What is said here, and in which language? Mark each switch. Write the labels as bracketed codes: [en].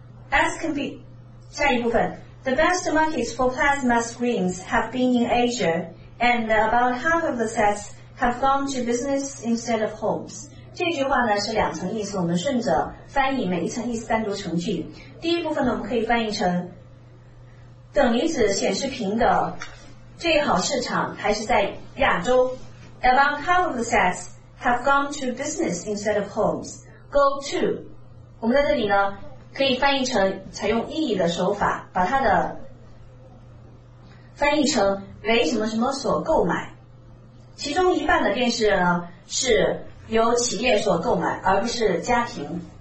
[en] As can be， [zh] 下一部分， [en] The best markets for plasma screens have been in Asia and about half of the sets have gone to business instead of homes。 [zh] 这句话呢是两层意思，我们顺着翻译每一层意思单独成句。第一部分呢，我们可以翻译成等离子显示屏的最好市场还是在亚洲。 [en] About half of the sets have gone to business instead of homes. Go to. [zh] 我们在这里呢，可以翻译成采用意义的手法，把它的翻译成为什么什么所购买。其中一半的电视呢，是由企业所购买，而不是家庭。